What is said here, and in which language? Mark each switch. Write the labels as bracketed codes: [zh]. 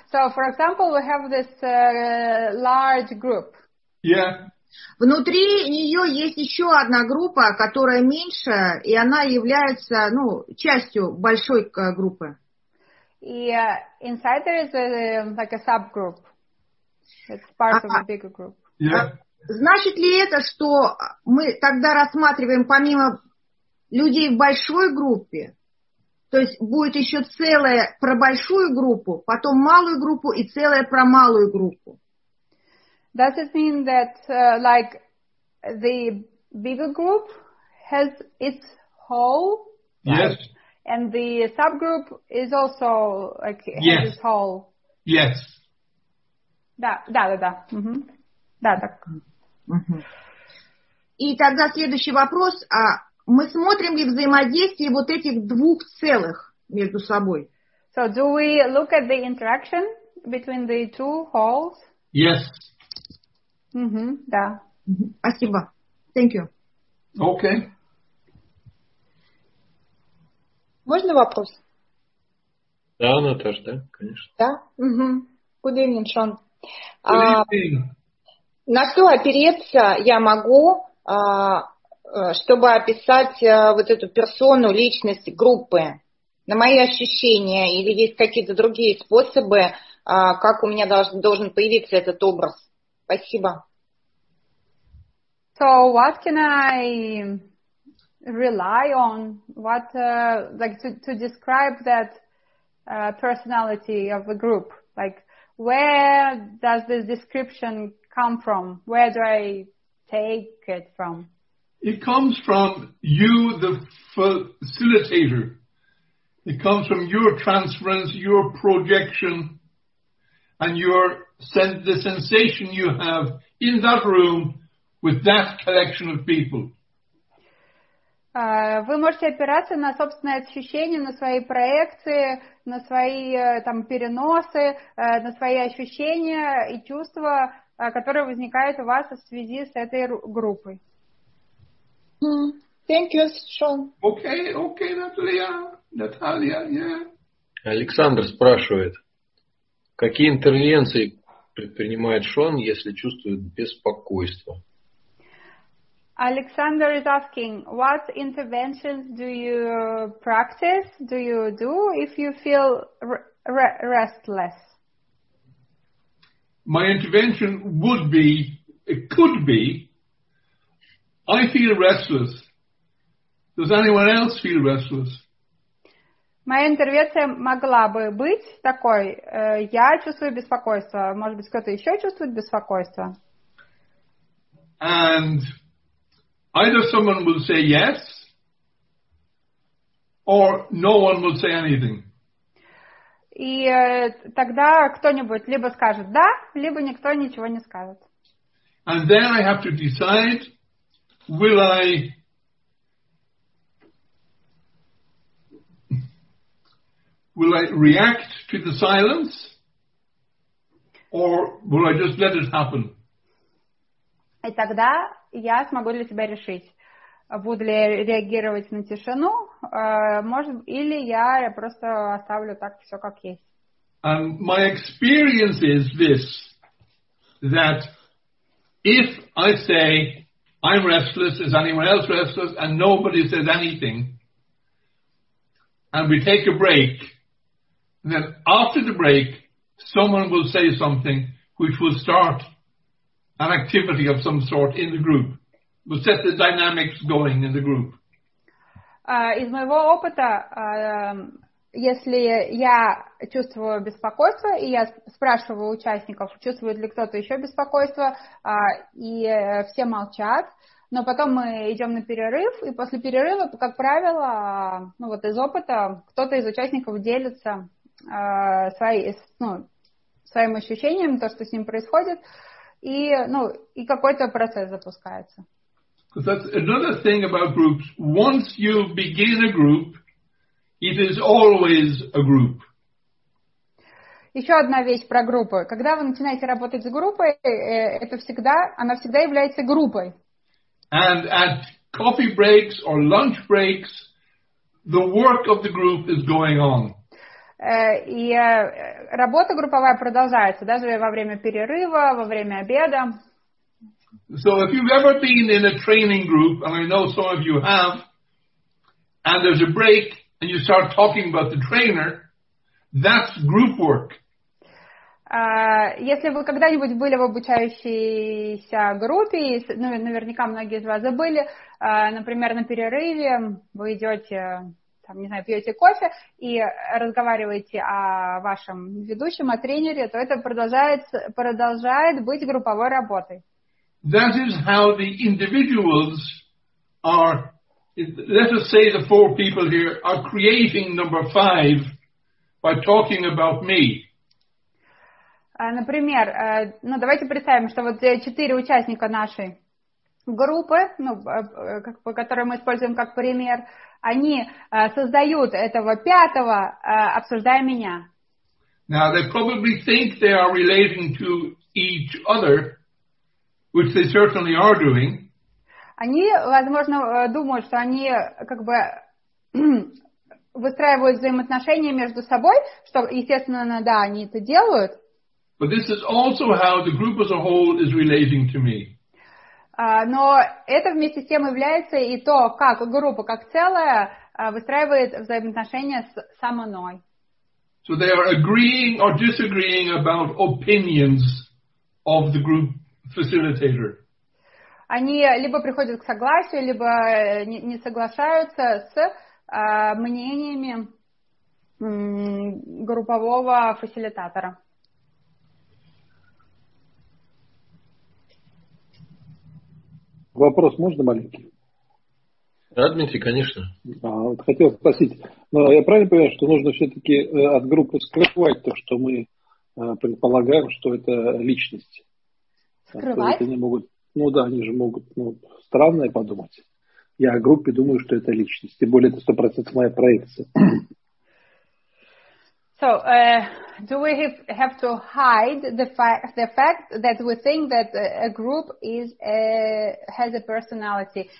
[en] So, for example, we have this large group. Yeah. [ru] Внутри нее есть еще одна группа, которая меньше, и она является, ну, частью большой группы. [en] Yeah, inside there is like a subgroup. It's part of a bigger group. Yeah. [ru] Значит ли это, что мы тогда рассматриваем помимо людей в большой группе, то есть будет еще целое про большую группу, потом малую группу и целое про малую группу? [en] Does it mean that like the bigger group has its whole? Yes. And the subgroup is also like yes. this whole. Yes. [ru] Да. Mm-hmm. Да, так. Mm-hmm. И тогда следующий вопрос. А мы смотрим ли взаимодействие вот этих двух целых между собой? [en] So do we look at the interaction between the two halls? Yes. [ru] Mm-hmm. Да. Mm-hmm. Спасибо. [en] Thank you. Okay. [ru] Можно вопрос? Да, Наташа, да, конечно. Да? Угу. [en] Good evening, Sean. Good evening. [ru] На что опереться я могу, чтобы описать вот эту персону, личность группы? На мои ощущения или есть какие-то другие способы, как у меня должен появиться этот образ? Спасибо. [en] So what can I rely on, what like to describe that personality of the group, like where does this description come from, where do I take it from? It comes from you, the facilitator. It comes from your transference, your projection, and your the sensation you have in that room with that collection of people. [ru] Вы можете опираться на собственные ощущения, на свои проекции, на свои там переносы, на свои ощущения и чувства, которые возникают у вас в связи с этой группой. [en] Thank you, Sean. Okay, Наталья, yeah. [ru] Александр спрашивает, какие интервенции предпринимает Шон, если чувствует беспокойство? [en] Alexander is asking, what interventions do you practice, do you do, if you feel restless? My intervention would be, it could be, I feel restless. Does anyone else feel restless? [ru] Моя интервенция могла бы быть такой, я чувствую беспокойство. Может быть, кто-то еще чувствует беспокойство? [en] And either someone will say yes, or no one will say anything. [ru] И тогда кто-нибудь либо скажет да, либо никто ничего не скажет. [en] And then I have to decide, will I react to the silence, or will I just let it happen? [ru] И тогда я смогу для себя решить, буду ли реагировать на тишину, может, или я просто оставлю так все как есть. [en] And my experience is this, that if I say I'm restless, is anyone else restless, and nobody says anything, and we take a break, then after the break, someone will say something which will start an activity of some sort in the group, will set the dynamics going in the group. [ru] Из моего опыта, если я чувствую беспокойство, и я спрашиваю участников, чувствует ли кто-то еще беспокойство, и все молчат, но потом мы идем на перерыв, и после перерыва, как правило, ну вот из опыта, кто-то из участников делится своим ощущением, то, что с ним происходит, И какой-то процесс запускается. [en] Because that's another thing about groups. Once you begin a group, it is always a group. [ru] Еще одна вещь про группы. Когда вы начинаете работать с группой, это всегда, она всегда является группой. [en] And at coffee breaks or lunch breaks, the work of the group is going on. [ru] И работа групповая продолжается даже во время перерыва, во время обеда. [en] So if you've ever been in a training group, and I know some of you have, and there's a break and you start talking about the trainer, that's group work. [ru] Если вы когда-нибудь были в обучающейся группе, ну наверняка многие из вас забыли, например, на перерыве вы идете. Там, не знаю, пьете кофе и разговариваете о вашем ведущем, о тренере, то это продолжает быть групповой работой. [en] That is how the individuals are let us say the four people here are creating number five by talking about me. [ru] Например, ну давайте представим, что вот четыре участника нашей группы, ну, которые мы используем как пример, они создают этого пятого, обсуждая меня. [en] Now they probably think they are relating to each other, which they certainly are doing. [ru] Они, возможно, думают, что они как бы выстраивают взаимоотношения между собой, что, естественно, да, они это делают. [en] But this is also how the group as a whole is relating to me. [ru] Но это вместе с тем является и то, как группа как целая выстраивает взаимоотношения со мной. [en] So they are agreeing or disagreeing about opinions of the group facilitator. [ru] Они либо приходят к согласию, либо не соглашаются с мнениями группового фасилитатора. Вопрос можно маленький? Да, Дмитрий, конечно. Вот хотел спросить, но я правильно понимаю, что нужно все-таки от группы скрывать то, что мы предполагаем, что это личности? Скрывать? Они могут, ну да, они же могут странное подумать. Я о группе думаю, что это личность. Тем более, это 100% моя проекция. [en] So, do we have to hide the fact that we think that a group has a personality?